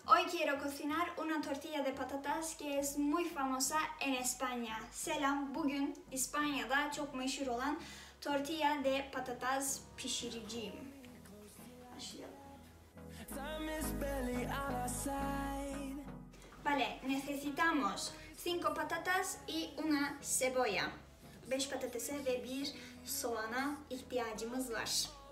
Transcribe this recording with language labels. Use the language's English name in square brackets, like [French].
[Spanish] quiero cocinar una tortilla de patatas que es muy famosa en España. [Turkish] Selam, bugün İspanya'da çok meşhur olan tortilla de patatas pişireceğim. Başlayalım. [Spanish] Vale, necesitamos 5 patatas y una cebolla. [Turkish] 5 patatese ve 1 soğana ihtiyacımız var.